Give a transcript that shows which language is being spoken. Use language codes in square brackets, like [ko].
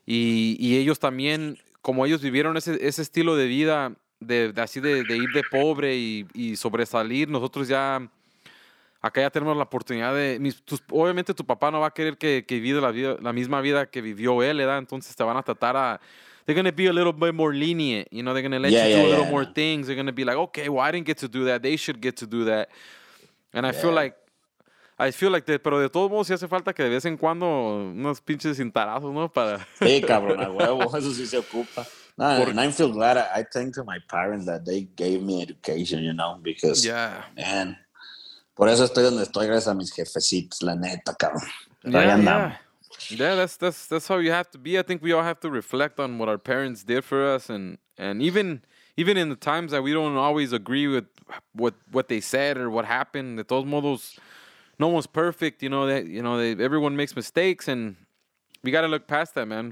[es] Y ellos también, como ellos vivieron ese estilo de vida de ir de pobre y sobresalir, nosotros ya acá ya tenemos la oportunidad de... obviamente tu papá no va a querer que viva la misma vida que vivió él, ¿verdad? Entonces te van a tratar a... [en] They're going to be a little bit more lenient, you know? They're going to let you do a little more things. They're going to be like, okay, well, I didn't get to do that. They should get to do that. And I feel like that, [es] pero de todos modos sí hace falta que de vez en cuando unos pinches cintarazos, ¿no? Para... Sí, cabrón, a huevo. Eso sí se ocupa. No, [en] and I feel glad. I thank to my parents that they gave me education, you know? Because, man... [es] Por eso estoy donde estoy, gracias a mis jefecitos, la neta, cabrón. [en] Yeah, that's how you have to be. I think we all have to reflect on what our parents did for us. And even in the times that we don't always agree with what they said or what happened, [es] de todos modos, [en] no one's perfect, you know. Everyone makes mistakes, and we got to look past that, man.